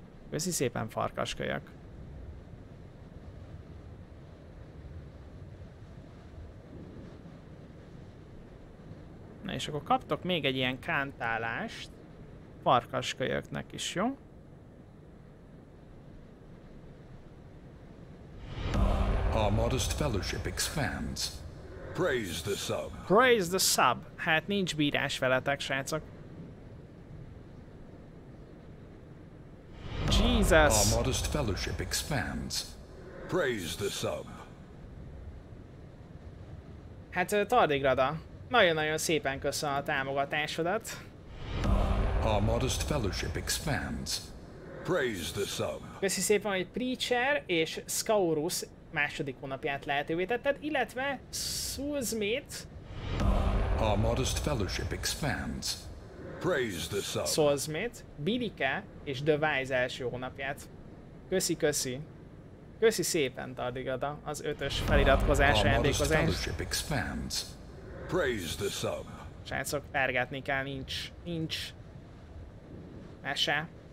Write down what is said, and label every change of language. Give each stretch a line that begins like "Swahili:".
Hungarian: Köszi szépen farkaskölyök. Na és akkor kaptok még egy ilyen kántálást farkaskölyöknek is, jó?
English: Our modest fellowship expands. Praise the sub. Praise the sub.
Hungarian: Hát nincs bírás veletek, srácok.
English: Jesus. Our modest fellowship expands. Praise the sub.
Hungarian: Hát Tardigrada, nagyon-nagyon szépen köszönöm a támogatásodat.
English: Our modest fellowship expands. Praise the sub.
Hungarian: Köszi szépen, hogy Preacher és Scaurus második hónapját lehetővé tetted, illetve Soulsmith.
English: Our modest fellowship expands. Praise the sub.
Hungarian: Soulsmith, Birike és The Wise első hónapját. Köszi, köszi. Köszi szépen, Tardigrada, az ötös feliratkozás ajándékozást. Srácok, pergetni kell, nincs, nincs mese.